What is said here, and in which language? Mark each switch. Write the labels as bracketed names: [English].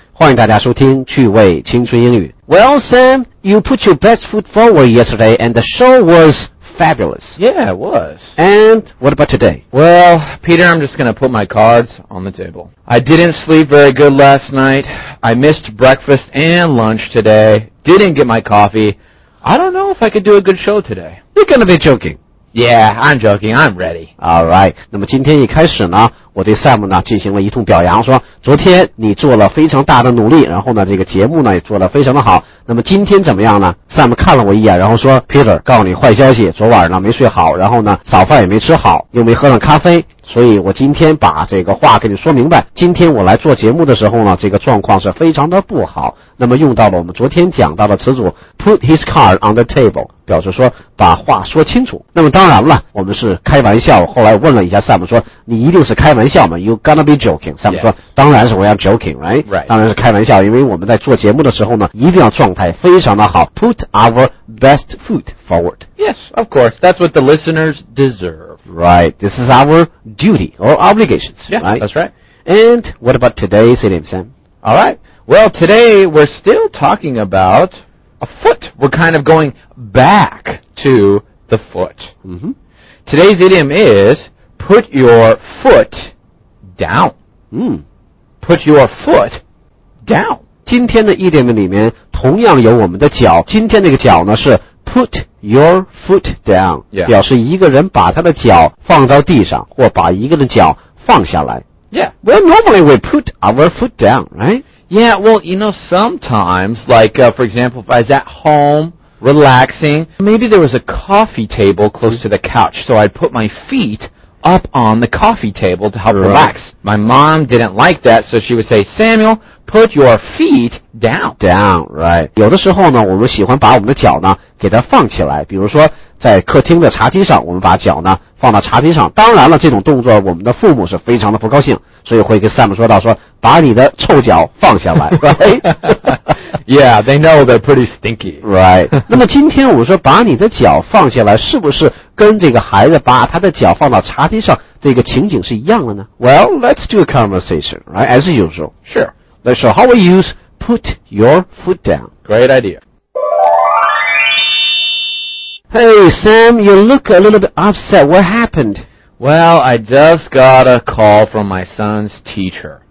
[Chinese] 欢迎大家收听趣味青春英语。 [English] Well, Sam, you put your best foot forward yesterday, and the show was fabulous. Yeah, it was. And what about today? Well, Peter, I'm just going to put my cards on the table. I didn't sleep very good last night. I missed breakfast and lunch today. Didn't get my coffee. I don't know if I could do a good show today. You're going to be joking. Yeah, I'm joking, I'm ready. [Chinese] Alright, 那么今天一开始呢，我对 Sam 呢进行了一通表扬，说昨天你做了非常大的努力，然后呢这个节目呢也做得非常的好。那么今天怎么样呢？Sam 看了我一眼，然后说 Peter, 告诉你坏消息，昨晚呢没睡好，然后呢早饭也没吃好，又没喝上咖啡，所以我今天把这个话跟你说明白，今天我来做节目的时候呢，这个状况是非常的不好。那么用到了我们昨天讲到的词组 [English] Put his card on the table, [Chinese] 表示说把话说清楚。那么当然了，我们是开玩笑。我后来问了一下 Sam 说你一定是开玩笑吗？ [English] You gonna be joking。 Sam 说、 yes. [Chinese] 当然是我要 joking、right? [English] Right. [Chinese] 当然是开玩笑，因为我们在做节目的时候呢一定要状态非常的好。 [English] Put our best foot forward. Yes, of course. That's what the listeners deserve. Right. This is our duty or obligations. Yeah,、 right? that's right. And what about today's idiom, Sam? Alright. Well, today we're still talking aboutA foot. We're kind of going back to the foot.、 Mm-hmm. Today's idiom is put your foot down.、 Mm. Put your foot down. [Chinese] 今天的 idiom 里面同样有我们的脚。今天那个脚呢是 [English] put your foot down,、 yeah. [Chinese] 表示一个人把他的脚放到地上或把一个人的脚放下来。 [English] Yeah. Well, normally we put our foot down, right? Yeah, well, you know, sometimes, like,、for example, if I was at home, relaxing, maybe there was a coffee table close to the couch, so I'd put my feet up on the coffee table to help、 right. relax. My mom didn't like that, so she would say, Samuel, put your feet down. Down, right. [Chinese] 有的时候呢，我们喜欢把我们的脚呢，给它放起来。比如说，在客厅的茶几上，我们把脚呢，放到茶几上。当然了，这种动作我们的父母是非常的不高兴。所以会跟 Sam 说到说把你的臭脚放下来、right? [English] Yeah, they know they're pretty stinky. Right. [Chinese] 那么今天我们说把你的脚放下来，是不是跟这个孩子把他的脚放到茶几上这个情景是一样的呢？ [English] Well, let's do a conversation, right? As usual. Sure. Let's show how we use put your foot down. Great idea. Hey, Sam, you look a little bit upset. What happened? Well, I just got a call from my son's teacher.